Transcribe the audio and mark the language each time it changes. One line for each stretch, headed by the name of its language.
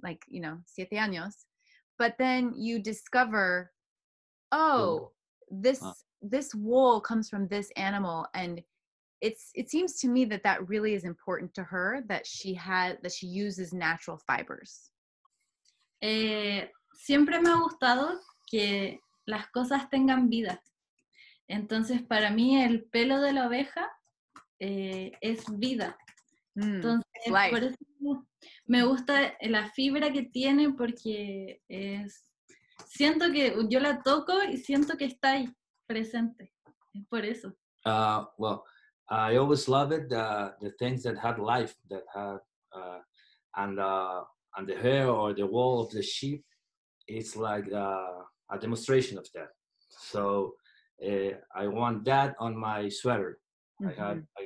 English: Like, you know,
Spanish: 7 años.
English: But then you discover, this wool comes from this animal. And it seems to me that really is important to her, that she uses natural fibers.
Spanish: Siempre me ha gustado que las cosas tengan vida. Entonces, para mí, el pelo de la oveja es vida. Entonces,
English: life.
Spanish: Por eso me gusta la fibra que tiene porque es, siento que yo la toco y siento que está ahí presente. Es por eso.
English: Well, I always love it, the things that have life, that have, and the hair or the wool of the sheep, it's like a demonstration of that. So I want that on my sweater. Mm-hmm.